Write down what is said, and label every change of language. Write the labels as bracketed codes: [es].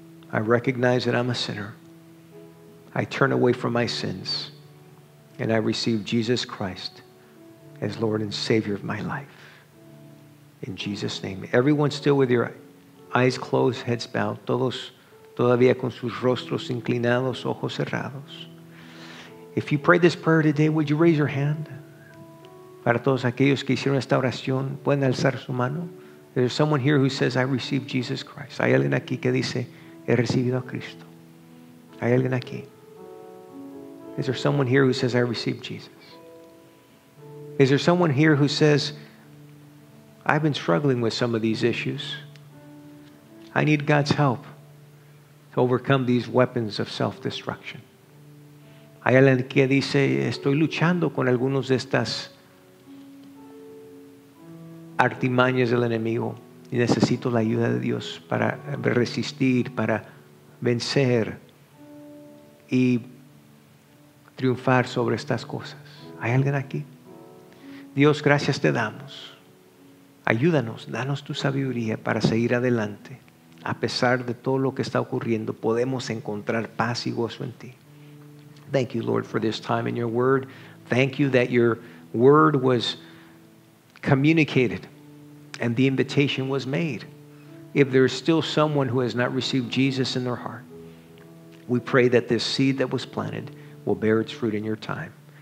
[en] I recognize that I'm a sinner. I turn away from my sins. And I receive Jesus Christ as Lord and Savior of my life. In Jesus' name. Everyone still with your eyes closed, heads bowed. [es] Todos todavía con sus rostros inclinados, ojos cerrados. [en] If you prayed this prayer today, would you raise your hand? [es] Para todos aquellos que hicieron esta oración, pueden alzar su mano. [en] There's someone here who says, I received Jesus Christ. [es] Hay alguien aquí que dice, he recibido a Cristo. Hay alguien aquí. [en] Is there someone here who says, I received Jesus? Is there someone here who says, I've been struggling with some of these issues. I need God's help to overcome these weapons of self-destruction. [es] Hay alguien que dice, estoy luchando con algunos de estas artimañas del enemigo y necesito la ayuda de Dios para resistir, para vencer y triunfar sobre estas cosas. ¿Hay alguien aquí? Dios, gracias te damos. Ayúdanos, danos tu sabiduría para seguir adelante. A pesar de todo lo que está ocurriendo, podemos encontrar paz y gozo en ti. [en] Thank you, Lord, for this time in your word. Thank you that your word was communicated and the invitation was made. If there is still someone who has not received Jesus in their heart, we pray that this seed that was planted will bear its fruit in your time.